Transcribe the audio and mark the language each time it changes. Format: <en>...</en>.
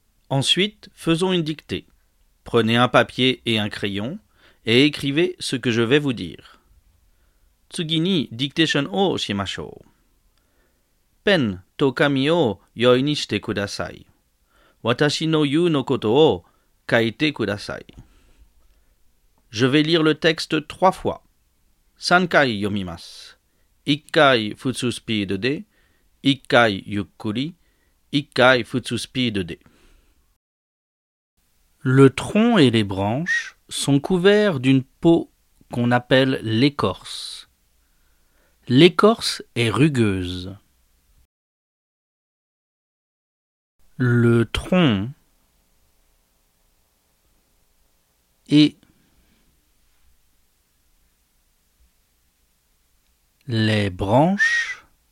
<fr>Ensuite, faisons une dictée. Prenez un papier et un crayon et écrivez ce que je vais vous dire.</fr> <ja>次にディクテーションをしましょう。ペンと紙を用意にしてください。私の言うのことを書いてください。</ja> <fr>Je vais lire le texte trois fois.</fr> <ja>三回読みます。一回普通スピードで、一回ゆっくり、一回普通スピードで。</ja> <fr>Le tronc et les branches sont couverts d'une peau qu'on appelle l'écorce. L'écorce est rugueuse. Le tronc et les branches</fr>